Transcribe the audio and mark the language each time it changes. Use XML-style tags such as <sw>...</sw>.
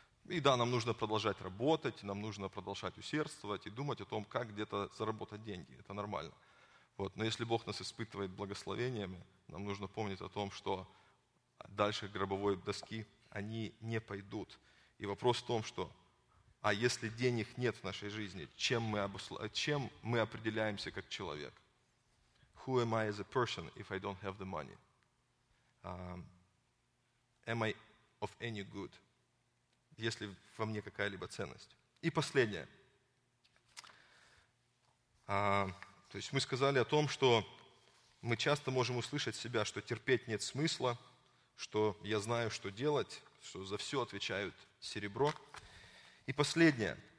<ru>И да, нам нужно продолжать работать, нам нужно продолжать усердствовать и думать о том, как где-то заработать деньги. Это нормально. Вот. Но если Бог нас испытывает благословениями, нам нужно помнить о том, что дальше гробовой доски они не пойдут. И вопрос в том, что а если денег нет в нашей жизни, чем мы определяемся как человек?</ru> <en>Who am I as a person if I don't have the money? Am I of any good?</en> <ru>Есть ли во мне какая-либо ценность? И последнее. То есть мы сказали о том, что мы часто можем услышать себя, что терпеть нет смысла, что я знаю, что делать, что за все отвечают серебро. И последнее.</ru>